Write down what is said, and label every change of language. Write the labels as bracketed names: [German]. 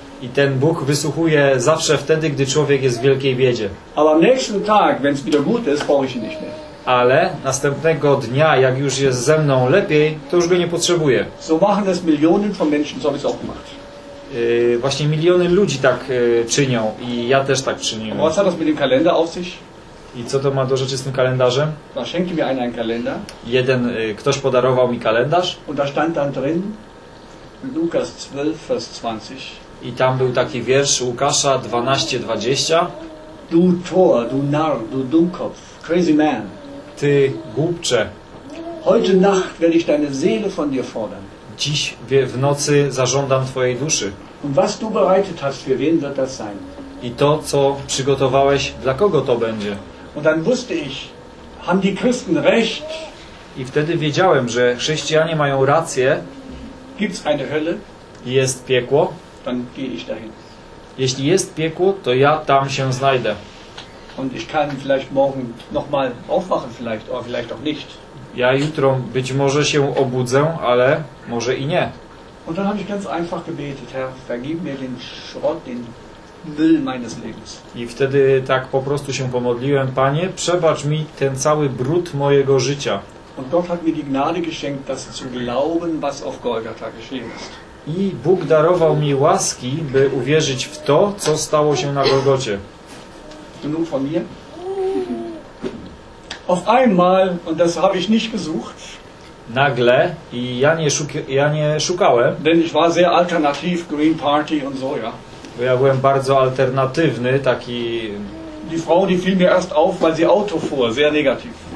[Polish] I ten Bóg wysłuchuje zawsze wtedy, gdy człowiek jest w wielkiej biedzie. [German] Ale am nächsten Tag, wenn's wieder gut ist, brauche ich ihn nicht mehr. [Polish] Ale następnego dnia, jak już jest ze mną lepiej, to już go nie potrzebuję. [German] So machen das Millionen von Menschen, so habe ich es auch gemacht. [Polish] Właśnie miliony ludzi tak czynią i ja też tak czyniłem. [German] Was hat das mit dem Kalender auf sich? [Polish] I co to ma do rzeczy z tym kalendarzem? [German] Da schenkte mir einer einen Kalender. [Polish] Jeden ktoś podarował mi kalendarz. [German] Und da stand dann drin Lukas 12, Vers 20. [Polish] I tam był taki wiersz Łukasza 12:20. [German] Du Tor, du Narr, du Dummkopf, [English] crazy man. [Polish] Ty głupcze. [German] Heute Nacht werde ich deine Seele von dir fordern. [Polish] Dziś w nocy zażądam twojej duszy. [German] Und was du bereitet hast, für wen wird das sein? [Polish] I to, co przygotowałeś, dla kogo to będzie? [German] Und dann wusste ich, haben die Christen recht? [Polish] I wtedy wiedziałem, że chrześcijanie mają rację. [German] Gibt's eine Hölle? [Polish] Jest piekło. [German] Dann gehe ich dahin. [Polish] Jeśli jest piekło, to ja tam się znajdę. [German] Und ich kann vielleicht morgen noch mal aufwachen, vielleicht, oder vielleicht auch nicht. [Polish] Ja jutro być może się obudzę, ale może i nie. [German] Und dann habe ich ganz einfach gebetet, Herr, vergib mir den Schrott, den Müll meines Lebens. [Polish] I wtedy tak po prostu się pomodliłem, Panie, przebacz mi ten cały brud mojego życia. [German] Und Gott hat mir die Gnade geschenkt, das zu glauben, was auf Golgatha geschehen ist. [Polish] I Bóg darował mi łaski, by uwierzyć w to, co stało się na Golgocie. [German] Genug von mir. Auf einmal, und das habe ich nicht gesucht. [Polish] Nagle, i ja nie szukałem. [German] Denn ich war sehr alternativ, Green Party und so, ja. [Polish] Bo ja byłem bardzo alternatywny, taki... [German] Die Frau, die fiel mir erst auf, weil sie Auto fuhr, sehr negativ.